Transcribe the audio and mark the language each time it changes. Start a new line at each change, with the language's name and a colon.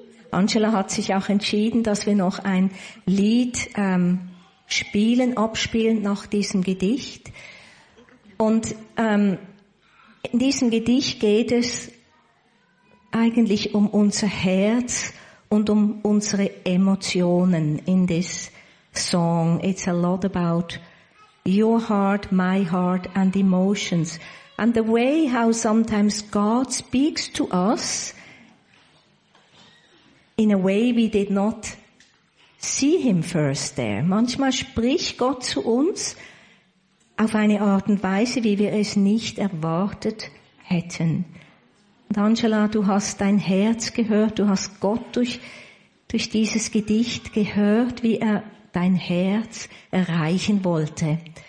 German: Angela hat sich auch entschieden, dass wir noch ein Lied abspielen nach diesem Gedicht. Und in diesem Gedicht geht es eigentlich um unser Herz und um unsere Emotionen.
English: In this song, it's a lot about your heart, my heart, and emotions. And the way how sometimes God speaks to us in a way we did not see him first there.
German: Manchmal spricht Gott zu uns auf eine Art und Weise, wie wir es nicht erwartet hätten. Und Angela, du hast dein Herz gehört, du hast Gott durch dieses Gedicht gehört, wie er dein Herz erreichen wollte.